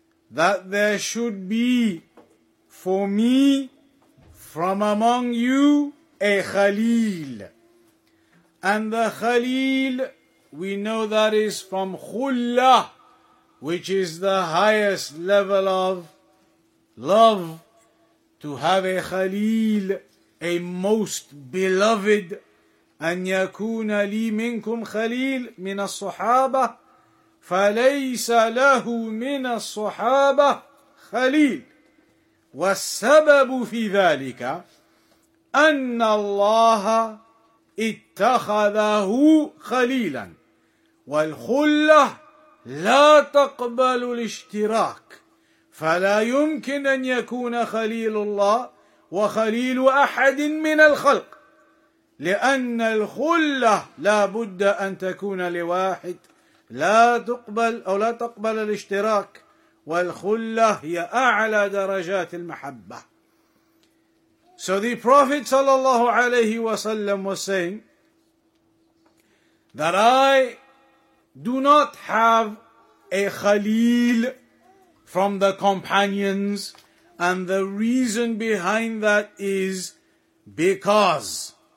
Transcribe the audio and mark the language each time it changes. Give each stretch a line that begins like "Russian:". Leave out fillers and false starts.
English: That there should be for me from among you a khalil. And the khalil, we know that is from khulla, which is the highest level of love, to have a khalil, a most beloved.
Arabic: أن يكون لي منكم خليل من الصحابة فليس له من الصحابة خليل والسبب في ذلك أن الله اتخذه خليلا والخلة لا تقبل الاشتراك فلا يمكن أن يكون خليل الله وخليل أحد من الخلق لأن الخلة لا بد أن تكون لواحد لا تقبل أو لا تقبل الاشتراك والخلة هي أعلى درجات المحبة.
English: So the Prophet صلى الله عليه وسلم was saying that I do not have a خليل from the companions, and the reason behind that is because